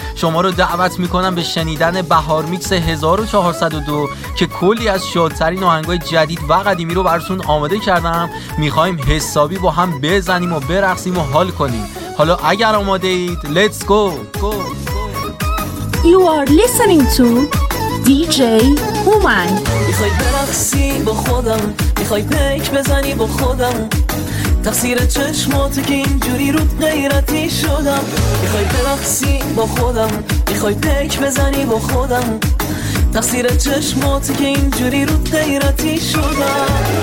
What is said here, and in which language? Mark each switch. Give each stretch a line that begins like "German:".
Persian: شما رو دعوت میکنم به شنیدن بهار میکس 1402 که کلی از شادترین آهنگای جدید و قدیمی رو براتون آماده کردم. میخوایم حسابی با هم بزنیم و برقصیم و حال کنیم. حالا اگر آماده اید لیتس گو.
English: You are listening to DJ Human.
Persian: میخوای برقصی با خودم، میخوای پیک بزنی با خودم، تقصیر چشمات که اینجوری رو غیرتی شدم. میخوای برقصی با خودم، میخوای پیک بزنی با خودم، تقصیر چشمات که اینجوری رو غیرتی شدم.